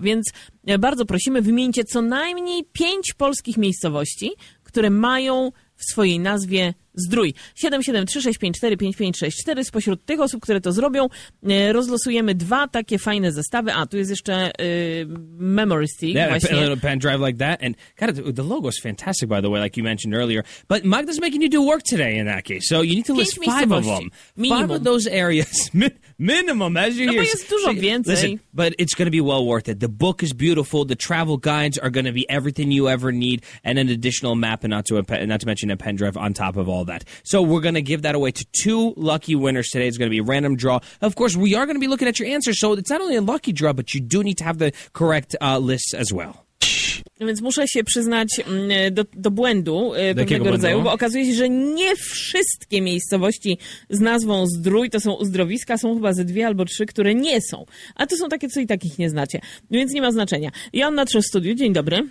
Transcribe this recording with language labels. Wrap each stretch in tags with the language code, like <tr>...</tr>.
<pl>Więc bardzo prosimy, wymieńcie co najmniej 5 polskich miejscowości, które mają w swojej nazwie Zdrój. 773-654-5564. Spośród tych osób, które to zrobią, rozlosujemy 2 takie fajne zestawy. A, tu jest jeszcze Memory Stick.</pl> <en>Yeah, a little pen drive like that. And God, the logo is fantastic, by the way, like you mentioned earlier. But Magda's making you do work today in that case. So you need to list 5 of them. Minimum. 5 of those areas. Minimum, as you hear.</en> <pl>No, bo jest dużo więcej.</pl> <en>Listen, but it's going to be well worth it. The book is beautiful. The travel guides are going to be everything you ever need. And an additional map, and not to mention a pen drive on top of all that. So we're going to give that away to 2 lucky winners today. It's going to be a random draw. Of course, we are going to be looking at your answers. So it's not only a lucky draw, but you do need to have the correct lists as well.</en> <pl>No więc muszę się przyznać do błędu pewnego rodzaju, bo okazuje się, że nie wszystkie miejscowości z nazwą Zdrój to są uzdrowiska, są chyba ze 2 albo 3, które nie są. A to są takie, co i tak ich nie znacie. No więc nie ma znaczenia. Joanna Trzew w studiu, dzień dobry.</pl>